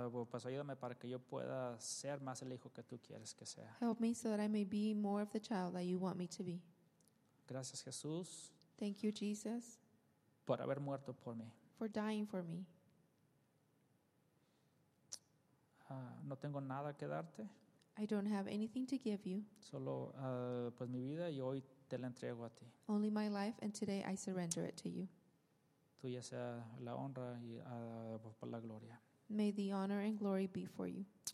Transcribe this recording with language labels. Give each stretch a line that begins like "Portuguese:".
Spanish: Pues ayúdame para que yo pueda ser más el hijo que tú quieres que sea.
English: Help me so that I may be more of the child that you want me to be.
Spanish: Gracias, Jesús.
English: Thank you, Jesus.
Spanish: Por haber muerto por mí.
English: For dying for me.
Spanish: No tengo nada que darte.
English: I don't have anything to give you.
Spanish: Solo pues mi vida y hoy te la entrego a ti.
English: Only my life and today I surrender it to you.
Spanish: Tuya sea la honra y por la gloria.
English: May the honor and glory be for you.